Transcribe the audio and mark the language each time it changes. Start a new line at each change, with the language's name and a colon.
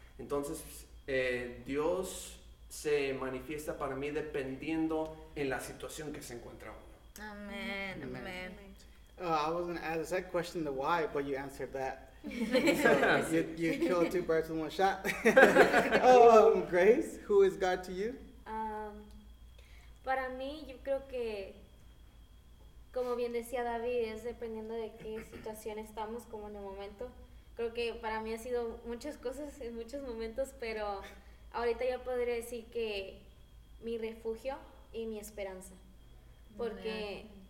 Spanish: Entonces, Dios se manifiesta para mí dependiendo en la situación que se encuentra uno. Amén, amén.
English: I was gonna ask a second question, the why, but you answered that. So you killed two birds with one shot. Grace, who is God to you?
Spanish: Para mí, yo creo que, como bien decía David, es dependiendo de qué situación estamos como en el momento. Creo que para mí ha sido muchas cosas en muchos momentos, pero ahorita ya podría decir que mi refugio y mi esperanza, porque.